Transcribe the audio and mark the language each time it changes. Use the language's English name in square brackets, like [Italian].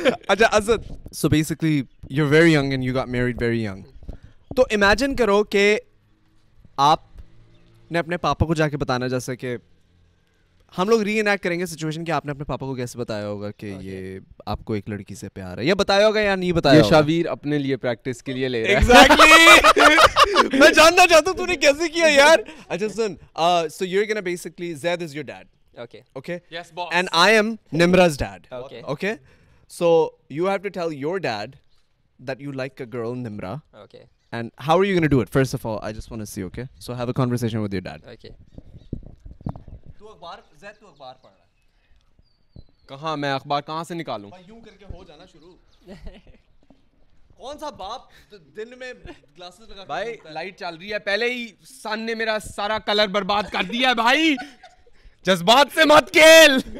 [Hindi] अच्छा Asad, [English] so basically you are very young [Hindi] and you got married very young, तो imagine करो कि आपने अपने पापा को जाके बताना, जैसे कि हम लोग री एनैक्ट करेंगे सिचुएशन की, आपने अपने पापा को कैसे बताया होगा कि ये आपको एक लड़की से प्यार है, या बताया होगा या नहीं बताया होगा? ये शावीर अपने लिए प्रैक्टिस के लिए ले रहा है. [English] Exactly. [Hindi] मैं जानना चाहता हूँ तूने कैसे किया यार. अच्छा सुन, [English] so you're gonna basically Zaid is your dad. Okay. Okay. Yes, boss. And I am Nimra's dad. Okay. Okay. So you have to tell your dad that you like a girl, Nimra. Okay. And how are you gonna do it? First of all, I just want to see. Okay. So have a conversation with your dad. Okay. [Hindi] कहाँ मैं अखबार कहाँ से निकालूं? यूं करके हो जाना शुरू. कौन सा बाप दिन में ग्लासेस लगा भाई लाइट चल रही है, पहले ही सन ने मेरा सारा कलर बर्बाद कर दिया है भाई. जज्बात से मत खेल.